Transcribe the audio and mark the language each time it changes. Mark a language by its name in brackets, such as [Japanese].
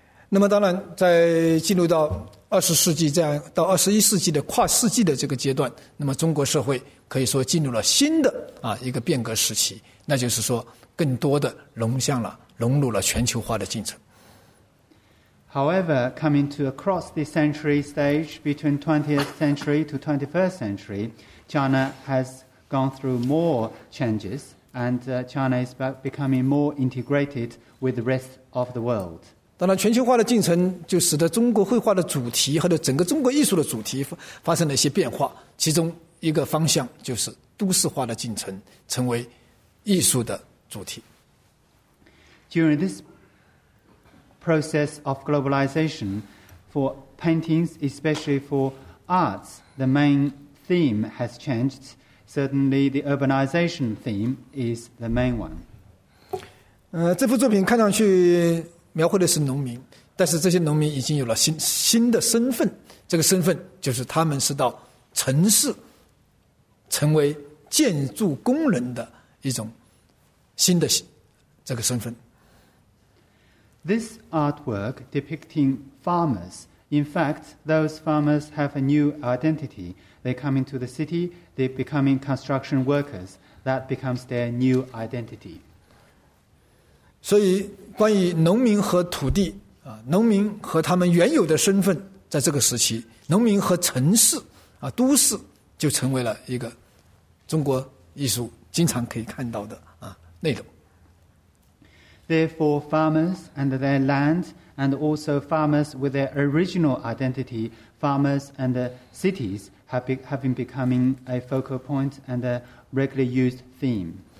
[Chinese] 那么当然在进入到二十世纪这样到二十一世纪的跨世纪的这个阶段，那么中国社会可以说进入了新的一个变革时期，那就是说更多的融入了全球化的进程。 [English] However, coming to across the century stage between 20th century to 21st century, China has gone through more changes and China is becoming more integrated with the rest of the world. [Chinese] 当然全球化的进程就使得中国绘画的主题和整个中国艺术的主题发生了一些变化，其中一个方向就是都市化的进程成为艺术的主题。 [English] During this process of globalization, for paintings, especially for arts, the main theme has changed. Certainly, the urbanization theme is the main one. [Chinese] 这幅作品看上去描绘的是农民，但是这些农民已经有了新的身份，这个身份就是他们是到城市成为建筑工人的一种新的这个身份。 [English] This artwork depicting farmers In fact, those farmers have a new identity. They come into the city, they become construction workers. That becomes their new identity. [Chinese] 所以关于农民和土地，农民和他们原有的身份，在这个时期，农民和城市，都市就成为了一个中国艺术经常可以看到的内容。 [English] Therefore, farmers and their land, and also farmers with their original identity, farmers and the cities have been becoming a focal point and a regularly used theme.